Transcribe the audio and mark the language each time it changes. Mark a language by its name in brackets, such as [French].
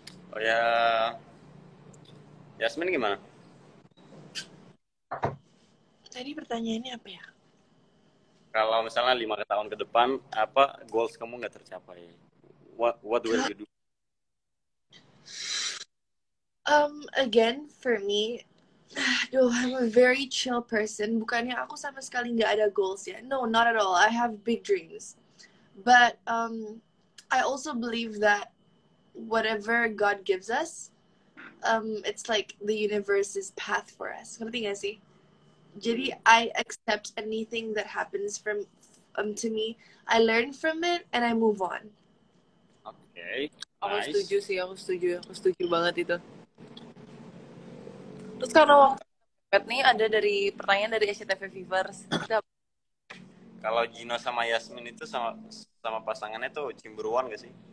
[Indonesian] Oh ya, Yasmin gimana tadi pertanyaannya apa ya? Kalau misalnya 5 tahun ke depan, apa goals kamu nggak tercapai, [English] what will you do? Again, for me, aduh, I'm a very chill person. [Indonesian] Bukannya aku sama sekali gak ada goals ya. [English] No, not at all. I have big dreams. But I also believe that whatever God gives us, it's like the universe's path for us. [Indonesian] Ngerti gak sih? [English] Jadi, I accept anything that happens from to me. I learn from it and I move on. [Indonesian] Okay. Nice. Aku setuju sih, aku setuju. Aku setuju banget itu. Terus karena waktu nih ada dari pertanyaan dari SCTV Vivers. Kalau Gino sama Yasmin itu sama pasangannya tuh cemburuan gak sih?